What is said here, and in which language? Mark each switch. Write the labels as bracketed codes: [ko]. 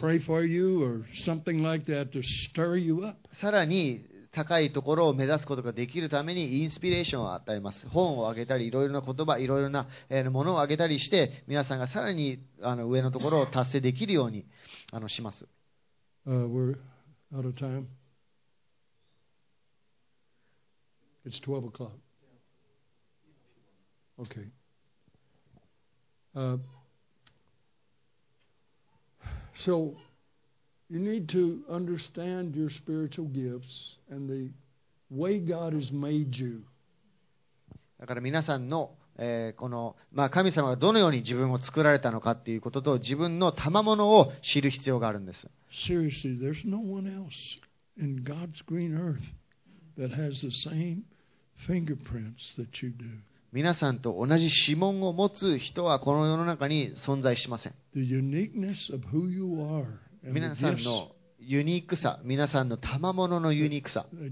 [en] pray for you or something like that to stir you up. [ja] さらに高いところを目指すことができるためにインスピレーションを与えます。本をあげたり、いろいろな言葉、いろいろなものをあげたりして、皆さんがさらに上のところを達成できるようにします。 [en] We're out of time. It's 12 o'clock. Okay. So you need to understand your spiritual gifts and the way God has made you. [ja] だから皆さんの、この、まあ、神様がどのように自分を作られたのかっていうことと、自分の賜物を知る必要があるんです。 [en] Seriously, there's no one else in God's green earth that has the same fingerprints that you do. [ja] 皆さんと同じ指紋を持つ人はこの世の中に存在しません。 [en] The uniqueness of who you are. [ja] 皆さんのユニークさ、皆さんの賜物のユニークさ、